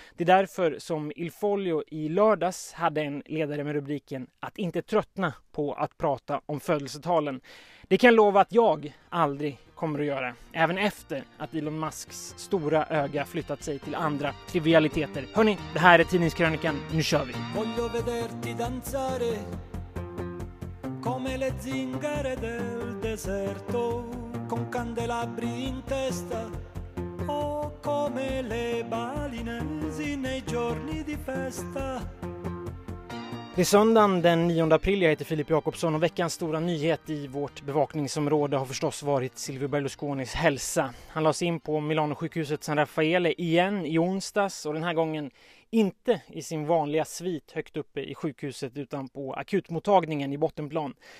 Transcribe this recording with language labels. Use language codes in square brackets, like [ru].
[sv] Det är därför som Il Foglio i lördags hade en ledare med rubriken "Att inte tröttna på att prata om födelsetalen". Det kan lova att jag aldrig kommer att göra, även efter att Elon Musks stora öga flyttat sig till andra trivialiteter. Hörrni, det här är Tidningskrönikan, nu kör vi! [it] Voglio vederti danzare come le zingare del deserto, con candelabri in testa o come le balinesi nei giorni di festa. [sv] Det är söndagen den 9 april, jag heter Filip Jakobsson och veckans stora nyhet i vårt bevakningsområde har förstås varit Silvio Berlusconis hälsa. Han lades in på Milano-sjukhuset San Raffaele igen i onsdags och den här gången inte i sin vanliga svit högt uppe i sjukhuset utan på akutmottagningen i bottenplan.